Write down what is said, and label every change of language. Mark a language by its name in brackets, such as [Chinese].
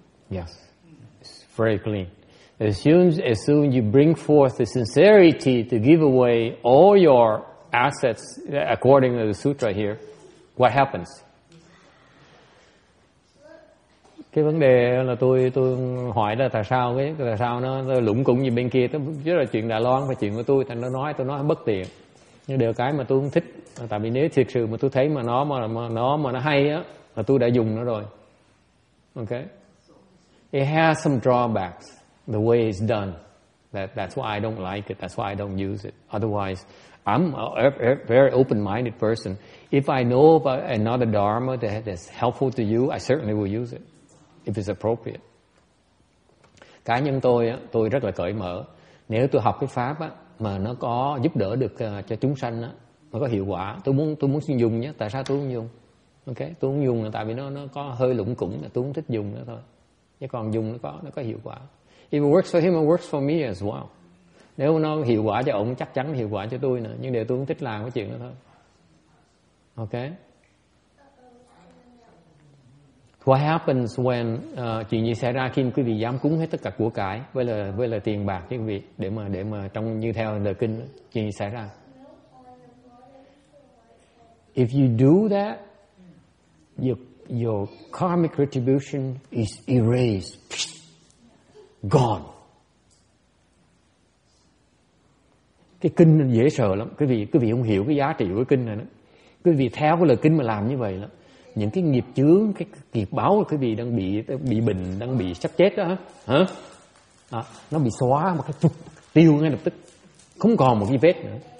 [English] Yes, it's very clean. As soon you bring forth the sincerity to give away all your assets according to the sutra here, what happens? [Vietnamese] Cái vấn đề là tôi hỏi là tại sao nó lủng củng như bên kia, tức là chuyện Đài Loan và chuyện của tôi, thành nó nói bất tiện. Nhưng điều cái mà tôi không thích, tại vì nếu thực sự mà tôi thấy mà nó hay á, là tôi đã dùng nó rồi. Okay. [English] It has some drawbacks the way it's done. That's why I don't like it. That's why I don't use it. Otherwise, I'm a very open-minded person. If I know about another dharma that is helpful to you, I certainly will use it if it's appropriate. [Vietnamese] Cá nhân tôi rất là cởi mở. Nếu tôi học cái pháp á, mà nó có giúp đỡ được cho chúng sanh á, nó có hiệu quả, tôi muốn sử dụng nhé. Tại sao tôi không dùng? Ok, tôi không dùng là tại vì nó có hơi lủng củng, tôi không thích dùng nữa thôi. Chứ còn dùng nó có hiệu quả. [English] If it works for him, it works for me as well. [Vietnamese] Nếu nó hiệu quả cho ông, chắc chắn hiệu quả cho tôi nữa. Nhưng điều tôi không thích làm cái chuyện đó thôi. Ok. [English] What happens when [Vietnamese] chuyện gì xảy ra khi quý vị dám cúng hết tất cả của cải với là tiền bạc chứ quý vị để mà trong như theo lời kinh chuyện gì xảy ra? [English] If you do that, your karmic retribution is erased, gone. [Vietnamese] Cái kinh dễ sợ lắm, quý vị không hiểu cái giá trị của kinh này nữa. Quý vị theo cái lời kinh mà làm như vậy lắm. Những cái nghiệp chướng, cái nghiệp báo quý vị đang bị bệnh, đang bị sắp chết đó, hả? À, nó bị xóa một cái chục tiêu ngay lập tức, không còn một cái vết nữa.